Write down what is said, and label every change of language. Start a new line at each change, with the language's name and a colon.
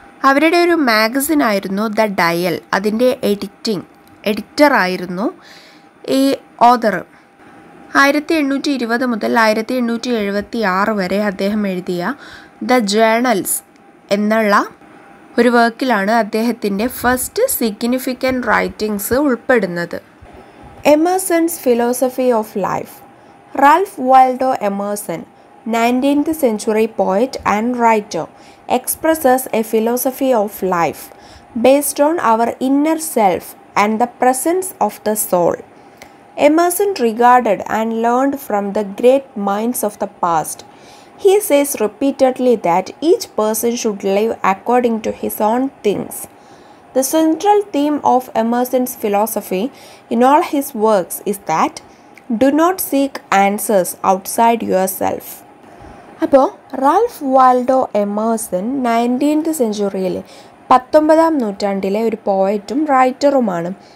Malayalam: അവരുടെ ഒരു മാഗസിനായിരുന്നു the dial. അതിൻ്റെ എഡിറ്ററായിരുന്നു ഈ ഓതർ. 1820 മുതൽ 1876 വരെ അദ്ദേഹം എഴുതിയ ദ ജേണൽസ് എന്നുള്ള ഒരു വർക്കിലാണ് അദ്ദേഹത്തിൻ്റെ ഫസ്റ്റ് സിഗ്നിഫിക്കൻ്റ് റൈറ്റിംഗ്സ് ഉൾപ്പെടുന്നത്.
English: Emerson's philosophy of life. Ralph Waldo Emerson, 19th century poet and writer, expresses a philosophy of life based on our inner self and the presence of the soul. Emerson regarded and learned from the great minds of the past. He says repeatedly that each person should live according to his own things. The central theme of Emerson's philosophy in all his works is that do not seek answers outside yourself.
Malayalam: അപ്പോൾ Ralf വാൽഡോ Emerson 19th സെഞ്ചുറിയിലെ 19th നൂറ്റാണ്ടിലെ ഒരു പോയറ്റും റൈറ്ററുമാണ്.